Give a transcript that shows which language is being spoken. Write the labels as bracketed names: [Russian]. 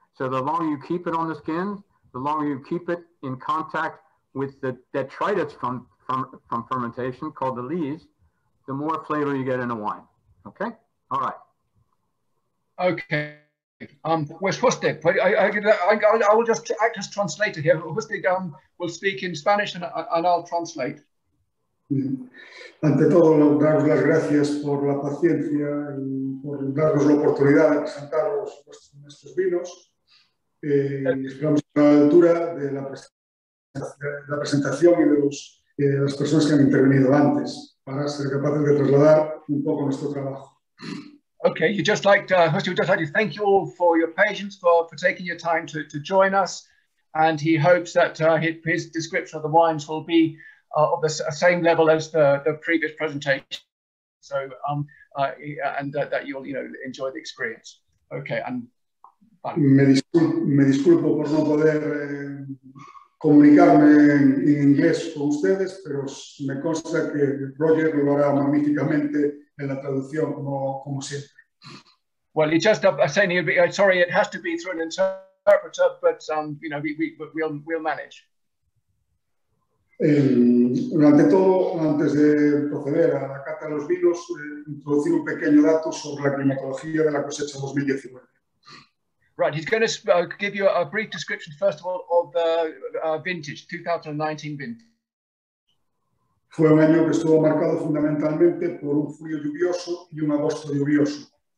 [English] So the longer you keep it on the skin, the longer you keep it in contact with the detritus from fermentation called the lees, the more flavor you get in a wine, okay? All right. Okay. Juste, I will just act as translator here. Juste will speak in Spanish and I'll translate. [Spanish] Ante todo, daros las gracias por la paciencia y por darnos la oportunidad de presentaros nuestros vinos. Esperamos a la altura de la presentación y de las personas que han intervenido antes para ser capaces de trasladar un poco nuestro trabajo. [English] Okay, you just like Juste, would just like to thank you all for your patience, for taking your time to join us, and he hopes that his description of the wines will be of the same level as the previous presentation. So that you'll, you know, enjoy the experience. Okay, and bye. [Spanish] Me disculpo por no poder comunicarme en inglés con ustedes, pero me consta que Roger lo hará magníficamente en la traducción, como siempre. [English] Well, it's just saying, sorry, it has to be through an interpreter, but you know, we'll manage. [Spanish] Durante todo, antes de proceder a la cata de los vinos, introducir un pequeño dato sobre la climatología de la cosecha 2019. [English] Right, he's going to give you a brief description, first of all, of the vintage, 2019 vintage. [Spanish] Fue un año que estuvo marcado fundamentalmente por un frío lluvioso y un agosto lluvioso.